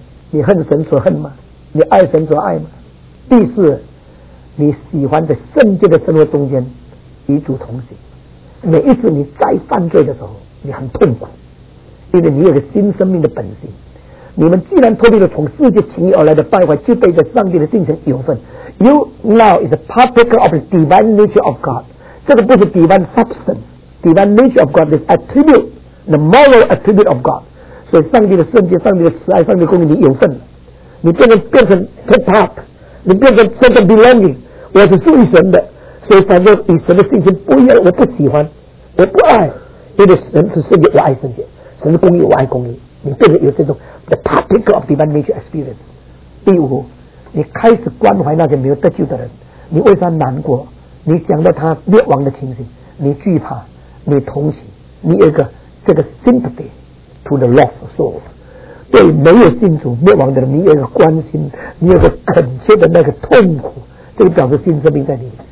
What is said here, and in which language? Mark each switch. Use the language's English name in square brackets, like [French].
[Chinese] 你恨神所恨吗？你爱神所爱吗？第四，你喜欢在圣洁的生活中间与主同行。每一次你再犯罪的时候，你很痛苦，因为你有个新生命的本性。你们既然脱离了从世界情欲而来的败坏，就对着上帝的性情有份。 [English] You now is a particle of the divine nature of God. [Chinese] 这个不是 [English] divine substance, divine nature of God is attribute, the moral attribute of God. [Chinese] 所以上帝的圣洁、上帝的慈爱、上帝的公义，你有份了。你变成 take part,你变成身份 belonging, 我是属于神的，所以反正与神的性情不一样，我不喜欢，我不爱，因为神是圣洁，我爱圣洁；神是公义，我爱公义。你变成有这种 [English] the particle of divine nature experience。 [Chinese] 第五，你开始关怀那些没有得救的人，你为啥难过？你想到他灭亡的情形，你惧怕，你同情，你有一个这个 [English] sympathy to the lost soul。 [Chinese] 对没有信主灭亡的人，你有一个关心，你有一个恳切的那个痛苦，这个表示新生命在你。